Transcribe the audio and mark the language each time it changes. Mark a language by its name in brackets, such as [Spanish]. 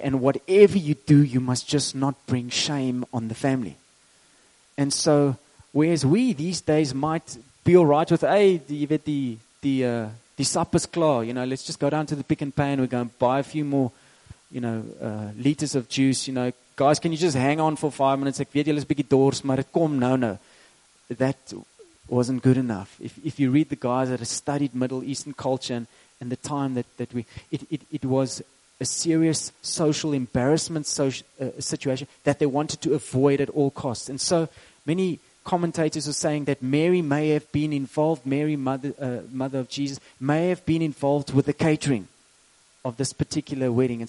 [English] And whatever you do, you must just not bring shame on the family. And so, whereas we these days might be all right with, hey, the supper's klaar, you know, let's just go down to the Pick and Pay, and we're going to buy a few more, you know, liters of juice. You know, guys, can you just hang on for 5 minutes? [Afrikaans] Ek weet julle is bietjie dors, maar dit kom nou nou. [English] That wasn't good enough. If you read the guys that have studied Middle Eastern culture and the time that we, it was a serious social embarrassment situation that they wanted to avoid at all costs. And so many commentators are saying that Mary may have been involved, Mary, mother of Jesus, may have been involved with the catering of this particular wedding.